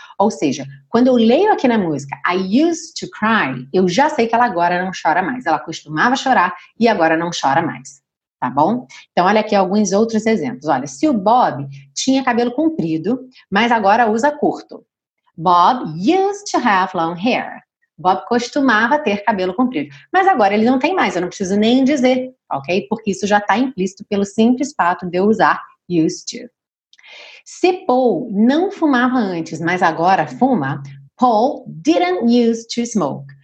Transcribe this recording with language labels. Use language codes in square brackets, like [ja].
[pt] Ou seja, quando eu leio aqui na música, [en] I used to cry, [pt] eu já sei que ela agora não chora mais. Ela costumava chorar e agora não chora mais. Tá bom? Então, olha aqui alguns outros exemplos. Olha, se o Bob tinha cabelo comprido, mas agora usa curto. [en] Bob used to have long hair. [pt] Bob costumava ter cabelo comprido. Mas agora ele não tem mais, eu não preciso nem dizer, ok? Porque isso já está implícito pelo simples fato de eu usar used to. Se Paul não fumava antes, mas agora fuma, [en] Paul didn't used to smoke.